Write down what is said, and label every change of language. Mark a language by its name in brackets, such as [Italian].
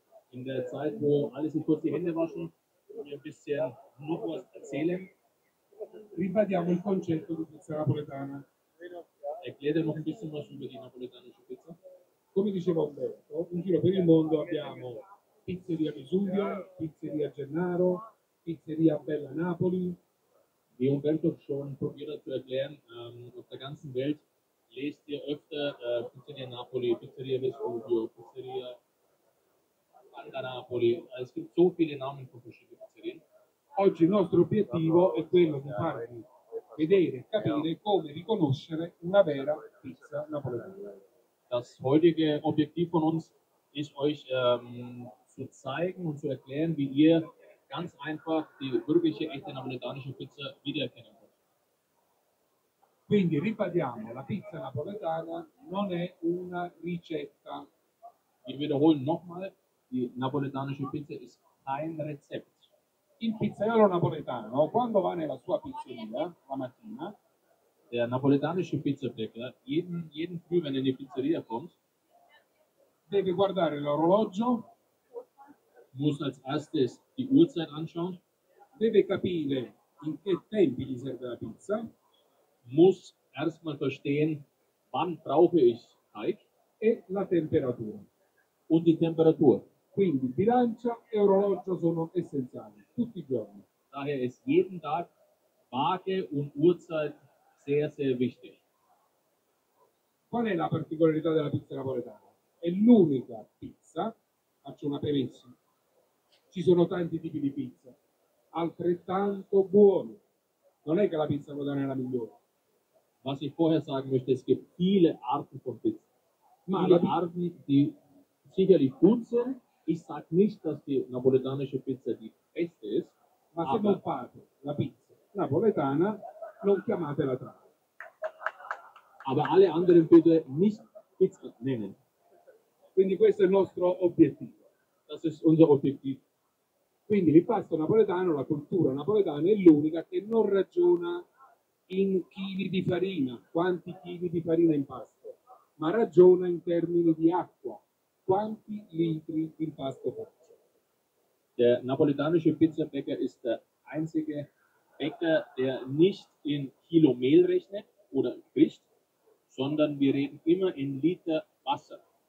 [German] in der Zeit, wo alle sich kurz die Hände waschen, mir ein bisschen noch was erzählen. [Italian] Ribadiamo il concetto di pizza napoletana. [German] Erkläre noch ein bisschen was über die napoletanische Pizza. [Italian] Come dicevo Alberto, in giro per il mondo abbiamo pizzeria Vesuvio, pizzeria Gennaro, pizzeria Bella Napoli. [German] Wie Umberto schon probiert zu erklären, auf der ganzen Welt lest ihr öfter Pizzeria Napoli, Pizzeria Vesuvio, Pizzeria Banda Napoli. Es gibt so viele Namen von verschiedenen Pizzerien. [Italian] Oggi il nostro obiettivo è quello di farvi vedere, capire come riconoscere una vera pizza napoletana. [German] Das heutige Objektiv von uns ist euch zu zeigen und zu erklären, wie ihr ganz einfach die wirkliche echte napoletanische Pizza wiedererkennen könnt. [Italian] Quindi ripetiamo, la pizza napoletana non è una ricetta. [German] Wir wiederholen nochmal, die napoletanische Pizza ist kein Rezept. [Italian] Il pizzaiolo napoletano, quando va nella sua pizzeria la mattina, [German] der napoletanische Pizzabäcker, jeden früh, wenn er in die Pizzeria kommt, [Italian] deve guardare l'orologio, [German] muss als erstes die Uhrzeit anschauen, [Italian] deve capire in che tempi gli serve la pizza, [German] muss erstmal verstehen, wann brauche ich Teig, [Italian] e la temperatura. [German] Und die Temperatur. [Italian] Quindi bilancia e orologio sono essenziali, tutti i giorni. [German] Daher ist jeden Tag Waage und Uhrzeit sehr, sehr wichtig. [Italian] Qual è la particolarità della pizza napoletana? È l'unica pizza, faccio una premessa, ci sono tanti tipi di pizza, altrettanto buoni. Non è che la pizza napoletana è la migliore. [German] Was ich vorher sagen möchte, es gibt viele Arten von Pizza. Ma viele Arten, die sicherlich gut sind. Ich sage nicht, dass die napoletanische Pizza die beste ist. [Italian] Ma se non fate la pizza napoletana, non chiamatela trappola. [German] Aber alle anderen bitte nicht Pizza nennen. [Italian] Quindi questo è il nostro obiettivo. [German] Das ist unser Objektiv. [Italian] Quindi l'impasto napoletano, la cultura napoletana è l'unica che non ragiona in chili di farina, quanti chili di farina impasto, ma ragiona in termini di acqua. Quanti litri di impasto faccio? [German] Der napoletanische Pizzabäcker ist der einzige Bäcker, der nicht in Kilo Mehl rechnet oder spricht, sondern wir reden immer in Liter Wasser.